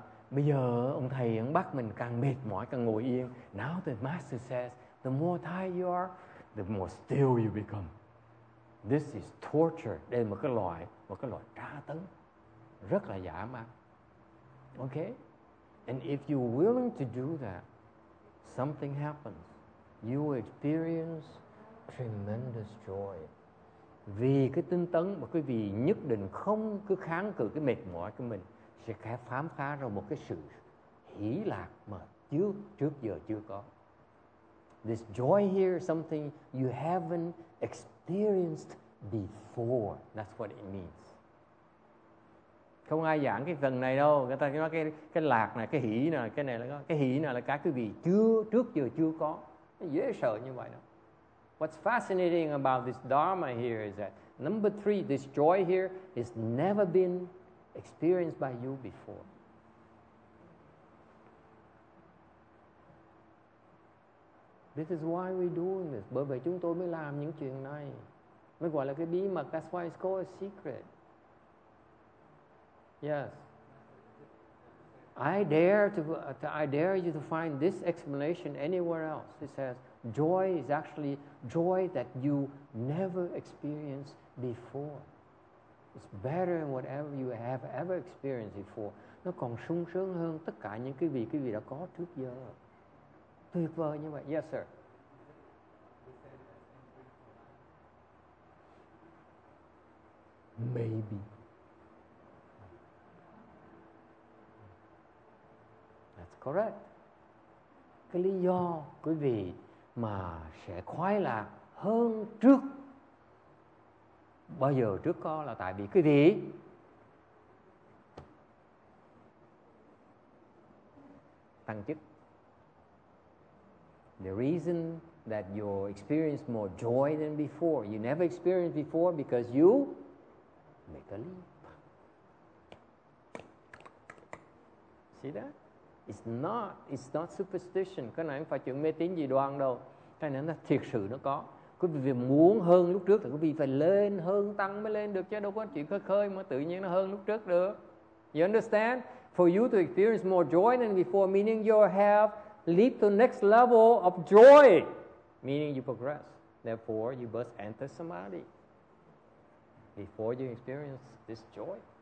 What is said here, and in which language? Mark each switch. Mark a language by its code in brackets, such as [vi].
[vi] Bây giờ ông thầy ông bắt mình càng mệt mỏi càng ngồi yên. [en] Now the master says, the more tired you are, the more still you become. This is torture. [vi] Đây là một cái loại tra tấn rất là dã man. [en] Okay? And if you're willing to do that, something happens. You experience tremendous joy. [vi] Vì cái tinh tấn mà quý vị nhất định không cứ kháng cự cái mệt mỏi của mình, sẽ khám phá ra một cái sự hỷ lạc mà trước giờ chưa có. [en] This joy here is something you haven't experienced before. That's what it means. [vi] Không ai giảng cái phần này đâu. Người ta nói cái lạc này, cái hỷ này, cái này là cái hỷ này là cái quý vị trước giờ chưa có. Dễ sợ như vậy đó. [en] What's fascinating about this Dharma here is that number three, this joy here has never been experienced by you before. This is why we're doing this. [vi] Bởi vậy chúng tôi mới làm những chuyện này. Mới gọi là cái bí mật. [en] That's why it's called a secret. Yes. I dare you to find this explanation anywhere else. It says joy is actually joy that you never experienced before. It's better than whatever you have ever experienced before. [vi] Nó còn sung sướng hơn tất cả những cái gì quý vị đã có trước giờ. Tuyệt vời như vậy. [en] Yes, sir. Maybe. Correct. [vi] Cái lý do quý vị mà sẽ khoái lạc hơn trước bao giờ trước có là tại vì quý vị tăng chức. [en] The reason that you experience more joy than before, you never experienced before because you make a leap. See that? It's not superstition. [vi] Cái này không phải chuyện mê tín dị đoan đâu. Cái này là thiệt sự nó có. Quý vị muốn hơn lúc trước thì quý vị phải lên hơn tăng mới lên được chứ đâu có chuyện khơi khơi mà tự nhiên nó hơn lúc trước được. [en] You understand? For you to experience more joy than before, meaning you have leaped to next level of joy, meaning you progress. Therefore, you must enter samadhi before you experience this joy.